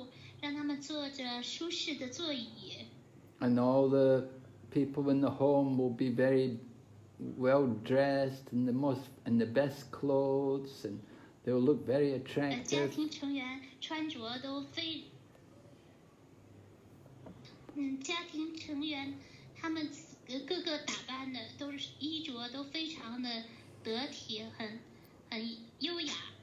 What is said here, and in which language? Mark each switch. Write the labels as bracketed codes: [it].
[zh] 这些夫人呢，就想给来宾留下深刻的印象，给他们端上那个精美的食物，让他们坐着舒适的座椅。 [en] And all the people in the home will be very well dressed in the most in the best clothes, and they will look very attractive. [zh] 家庭成员穿着都非，家庭成员他们。各个打扮的都是衣着都非常的得体，很优雅。